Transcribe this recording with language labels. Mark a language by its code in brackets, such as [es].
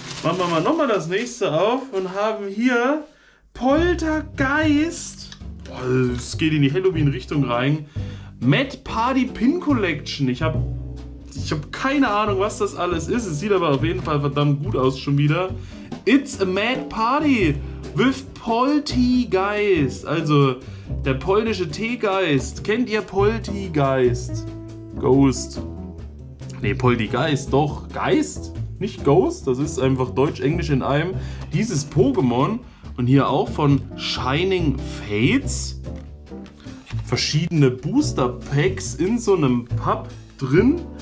[de] Machen wir mal nochmal das nächste auf und haben hier Poltergeist. Boah, es geht in die Halloween-Richtung rein. Mad Party Pin Collection. Ich habe keine Ahnung, was das alles ist. Es sieht aber auf jeden Fall verdammt gut aus schon wieder. [en] It's a mad party with Poltergeist. [de] Also der polnische Teegeist. Kennt ihr Poltergeist? Ghost. Nee, Poltergeist. Doch, Geist. Nicht Ghost. Das ist einfach Deutsch-Englisch in einem. Dieses Pokémon Und hier auch von Shining Fates. Verschiedene Booster Packs in so einem Pub drin.